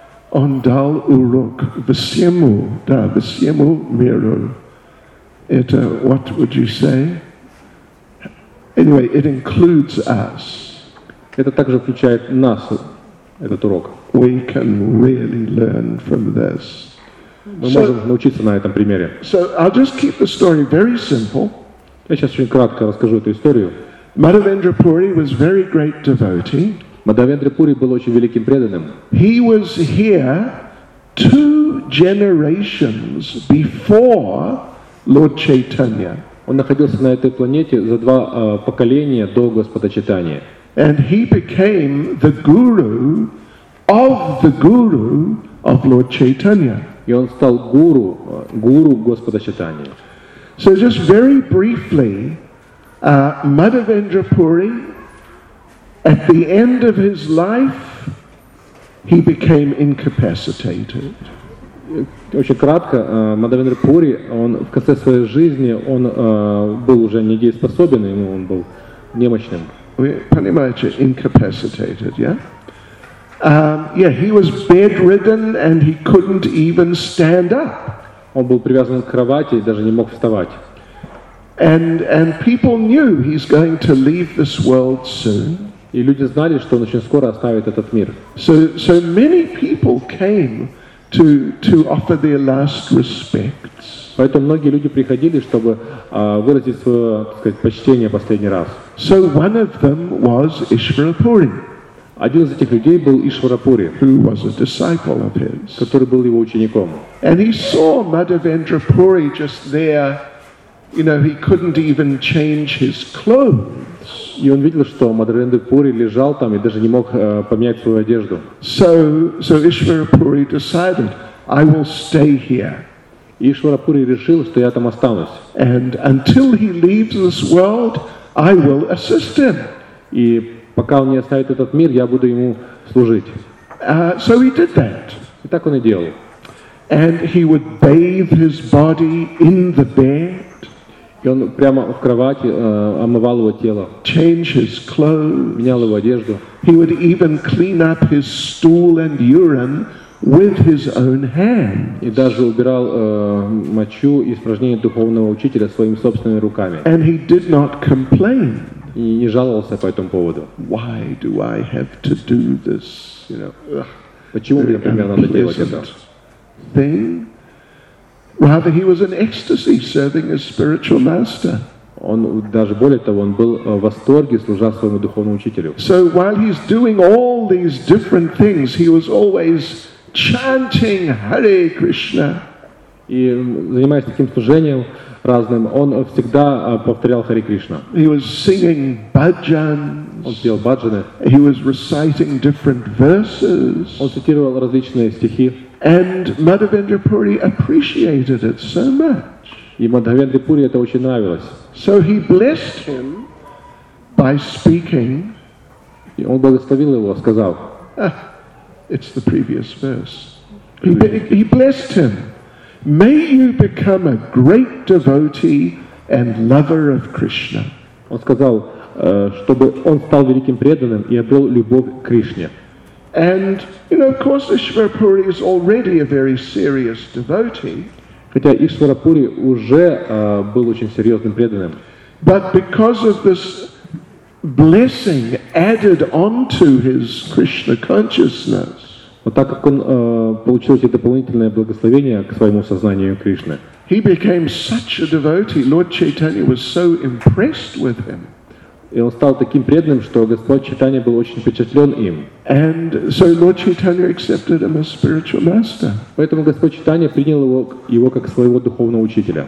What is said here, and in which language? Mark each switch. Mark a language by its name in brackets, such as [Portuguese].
[Russian] Он дал урок всему, да, всему миру. Это, [English] what would you say? Anyway, it includes us. [Russian] Это также включает нас, этот урок. [English] We can really learn from this. [Russian] Мы можем научиться на этом примере. [English] So I'll just keep the story very simple. [Russian] Я сейчас очень кратко расскажу эту историю. [English] Madhavendra Puri was very great devotee. [Russian] Мадхавендра Пури был очень великим преданным. [English] He was here two generations before Lord Chaitanya. [Russian] Он находился на этой планете за два поколения до Господа Чайтаньи. [English] And he became the guru of the guru of Lord Chaitanya. [Russian] И он стал гуру, гуру Господа Чайтаньи. [English] So just very briefly, Madhavendra Puri, at the end of his life, he became incapacitated. [Russian] Очень кратко, Мадхавендра Пури, он в конце своей жизни, он был уже недееспособен, ему он был немощным. Вы понимаете, [English] incapacitated, yeah? Yeah, he was bedridden and he couldn't even stand up. [Russian] Он был привязан к кровати и даже не мог вставать. [English] And people knew he's going to leave this world soon. [Russian] И люди знали, что он очень скоро оставит этот мир. [English] So many people came to offer their last respects. [Russian] Поэтому многие люди приходили, чтобы выразить свое, так сказать, почтение последний раз. [English] So one of them was Ishvara Puri. [Russian] Один из этих людей был Ишвара Пури, [English] who was a disciple of his. [Russian] Который был его учеником. [English] And he saw Madhavendra Puri just there, you know, he couldn't even change his clothes. [Russian] И он видел, что Мадхавендра Пури лежал там и даже не мог поменять свою одежду. [English] So Ishvara Puri decided, I will stay here. [Russian] Ишвара Пури решил, что я там останусь. [English] And until he leaves this world, I will assist him. [Russian] И пока он не оставит этот мир, я буду ему служить. [English] So he did that. [Russian] И так он и делал. [English] And he would bathe his body in the bed. [Russian] И он прямо в кровати омывал его тело. [English] Change his clothes. [Russian] Менял его одежду. [English] He would even clean up his stool and urine with his own hands. [Russian] И даже убирал мочу и испражнения духовного учителя своими собственными руками. [English] And he did not complain. [Russian] И не жаловался по этому поводу. [English] Why do I have to do this? You know, [Russian] почему мне, например, надо делать это? [English] Thing. Rather, he was in ecstasy serving his spiritual master. [Russian] Он даже более того, он был в восторге, служа своему духовному учителю. [English] So while he's doing all these different things, he was always chanting Hare Krishna. [Russian] И занимаясь таким служением разным, он всегда повторял Хари Кришна. [English] He was singing bhajans. [Russian] Он пел баджаны. [English] He was reciting different verses. [Russian] Он цитировал различные стихи. [English] And Madhavendra Puri appreciated it so much. [Russian] И Мадхавендре Пури это очень нравилось. [English] So he blessed him by speaking. [Russian] И он благословил его, сказал. [English] It's the previous verse. He blessed him. May you become a great devotee and lover of Krishna. [Russian] Он сказал, чтобы он стал великим преданным и обрел любовь к Кришне. [English] And, you know, of course, Ishvara Puri is already a very serious devotee. [Russian] Хотя Ишвара Пури уже был очень серьезным преданным. [English] But because of this blessing added onto his Krishna consciousness, [Russian] но так как он получил эти дополнительные благословения к своему сознанию Кришны, [English] he became such a devotee. Lord Chaitanya was so impressed with him. [Russian] И он стал таким преданным, что Господь Чайтанья был очень впечатлен им. [English] And so Lord Chaitanya accepted him as spiritual master. [Russian] Поэтому Господь Чайтанья принял его как своего духовного учителя.